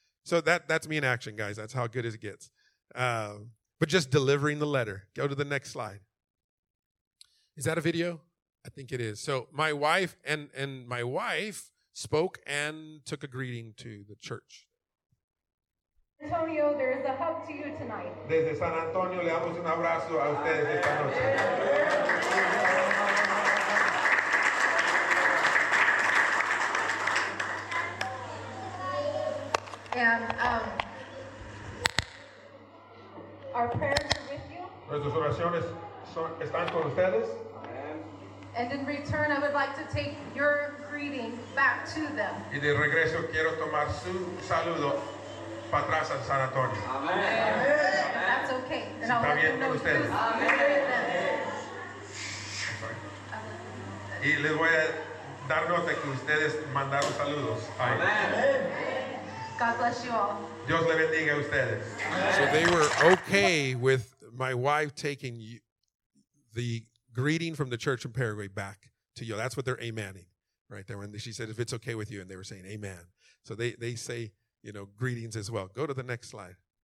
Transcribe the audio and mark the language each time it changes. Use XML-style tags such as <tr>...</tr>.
<en>So that's me in action, guys. That's how good it gets. But just delivering the letter. Go to the next slide. Is that a video? I think it is. So my wife and my wife spoke and took a greeting to the church. Antonio, there is a hug to you tonight.</en> <es>Desde San Antonio, le damos un abrazo a ustedes esta noche.</es> <en>Our prayers are with you.</en> <es>Nuestras oraciones están con ustedes.</es> <en>And in return, I would like to take your greeting back to them.</en> <es>Y de regreso quiero tomar su saludo. Atrás al San Antonio.</es> <en>Amen. Amen. That's okay. And I'll let you know who's Amen.</en> <es>Y les voy a dar nota que ustedes mandaron saludos.</es> <en>Amen. God bless you all.</en> <es>Dios le bendiga a ustedes.</es> <en>So they were okay with my wife taking the greeting from the church in Paraguay back to you. That's what they're amening right there. When she said, if it's okay with you, and they were saying amen. So they say, you know, greetings as well. Go to the next slide.</en>